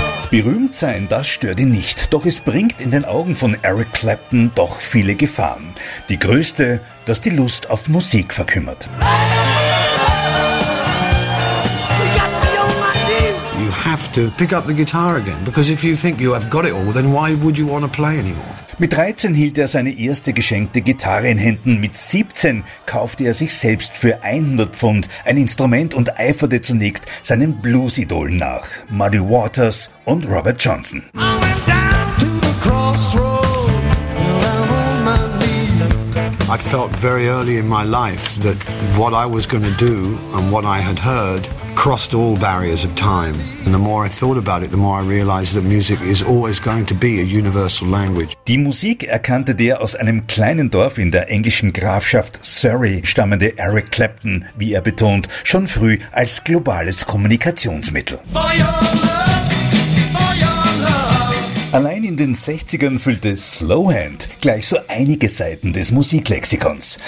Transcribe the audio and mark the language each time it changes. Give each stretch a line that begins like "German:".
German: Berühmt sein, das stört ihn nicht. Doch es bringt in den Augen von Eric Clapton doch viele Gefahren. Die größte, dass die Lust auf Musik verkümmert.
English: You have to pick up the guitar again, because if you think you have got it all, then why would you want to play anymore?
German: Mit 13 hielt er seine erste geschenkte Gitarre in Händen. Mit 17 kaufte er sich selbst für 100 Pfund ein Instrument und eiferte zunächst seinen Blues-Idolen nach, Muddy Waters und Robert Johnson.
English: I felt very early in my life that what I was going to do and what I had heard crossed all barriers of time. And the more I thought about it, the more I realized that music is always going to be a universal language.
German: Die Musik erkannte der aus einem kleinen Dorf in der englischen Grafschaft Surrey stammende Eric Clapton, wie er betont, schon früh als globales Kommunikationsmittel. Allein in den 60ern füllte Slowhand gleich so einige Seiten des Musiklexikons.